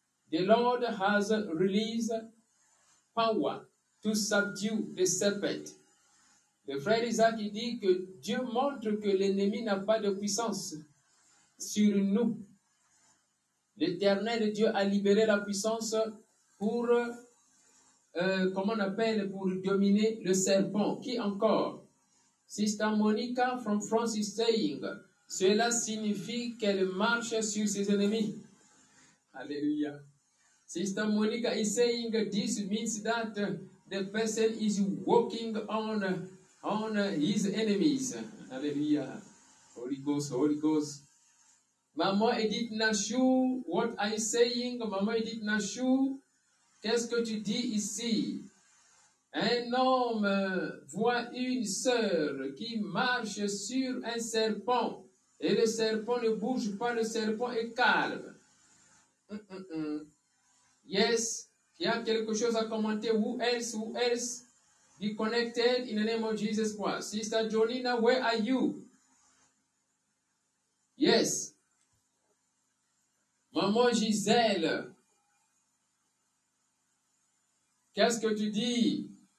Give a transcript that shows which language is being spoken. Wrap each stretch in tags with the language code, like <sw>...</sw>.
<en>The Lord has released power to subdue the serpent.</en> <fr>Le frère Isaac dit que Dieu montre que l'ennemi n'a pas de puissance sur nous. L'Éternel Dieu a libéré la puissance pour pour dominer le serpent. Qui encore?</fr> <en>Sister Monica from France is saying,</en> <fr>cela signifie qu'elle marche sur ses ennemis. Alléluia.</fr> <en>Sister Monica is saying, this means that the person is walking on his enemies. Alléluia. Holy Ghost, Holy Ghost.</en> <fr>Mama Edith Nashu, what are you saying? Mama Edith Nashu, qu'est-ce que tu dis ici? Un homme voit une sœur qui marche sur un serpent et le serpent ne bouge pas, le serpent est calme. Yes, il y a quelque chose à commenter.</fr> <en>Who else? Be connected in the name of Jesus Christ. Sister Jolina, where are you?</en> <fr>Yes. Maman Gisèle, qu'est-ce que tu dis?</fr>